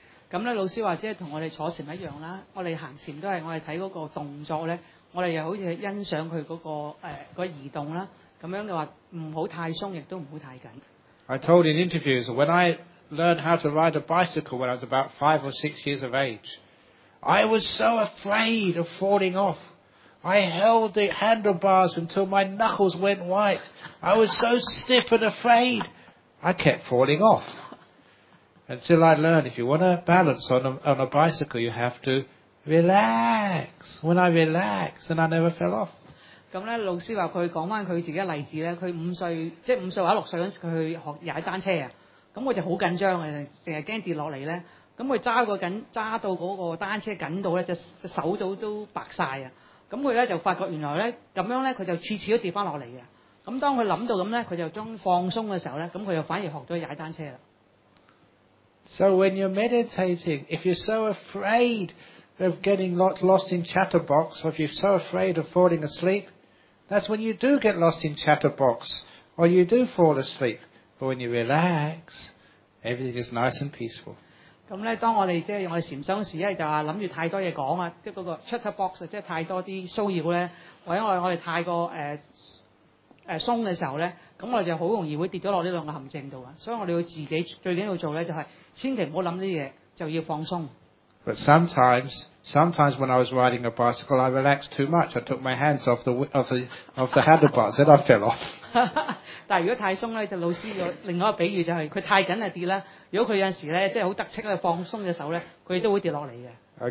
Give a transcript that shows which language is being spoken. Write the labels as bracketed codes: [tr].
[yue] 咁呢老師話即係同我哋坐禅一樣啦。我哋行禅都係我哋睇嗰個動作呢。我哋又好似欣賞佢嗰個個移動啦。咁樣嘅話唔好太鬆亦都唔好太緊。 [en] I told in interviews, when I... learned how to ride a bicycle when I was about 5 or 6 years of age. I was so afraid of falling off. I held the handlebars until my knuckles went white. I was so stiff and afraid. I kept falling off. Until I learned, if you want to balance on a bicycle, you have to relax. When I relax, then I never fell off. [yue] 咁咧，老師話佢講翻佢自己嘅例子咧，佢五歲，即係五歲或者六歲嗰時，佢去學踩單車啊。咁我就好緊張嘅，成日驚跌落嚟咧。咁佢揸到嗰個單車緊到咧，隻手肘都白曬啊！咁佢咧就發覺原來咧咁樣咧，佢就次次都跌翻落嚟嘅。咁當佢諗到咁咧，佢就將放鬆嘅時候咧，咁佢又反而學咗踩單車啦。 [en] So when you're meditating, if you're so afraid of getting lost in chatterbox, or if you're so afraid of falling asleep, that's when you do get lost in chatterbox, or you do fall asleep. But when you relax, everything is nice and peaceful. [yue] 咁咧，當我哋即係我哋禅修時，一係就話諗住太多嘢講啊，即係嗰個 chatterbox 即係太多啲騷擾咧，或者我哋太過鬆嘅時候咧，咁我哋就好容易會跌咗落呢兩個陷阱度啊。所以我哋要自己最緊要做咧，就係千祈唔好諗啲嘢，就要放鬆。 [en] But sometimes when I was riding a bicycle, I relaxed too much. I took my hands off the handlebars, and I fell off. [yue] 但如果太鬆咧，就老師有另外一個比喻就係佢太緊就跌啦。如果佢有陣時咧，即係好得戚咧，放鬆嘅手咧，佢都會跌落嚟嘅。